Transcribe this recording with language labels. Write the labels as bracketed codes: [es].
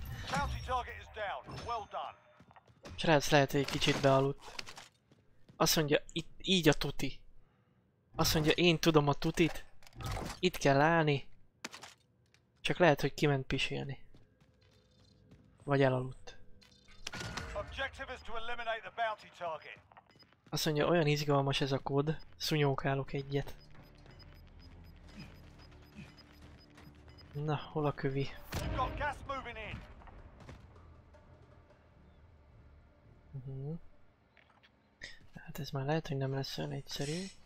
[en] County target is down. Well done. [hu] Srác lehet, hogy egy kicsit bealudt. Azt mondja, itt így a tuti. Azt mondja, én tudom a tutit. Itt kell állni. Csak lehet, hogy kiment pisilni. Vagy elaludt. [en] Objective is to eliminate the bounty target. [hu] Azt mondja, olyan izgalmas ez a kód, szunyókálok egyet. Na, hol a kövi? [en] We've got gas moving in. [hu] Hát ez már lehet, hogy nem lesz olyan egyszerű.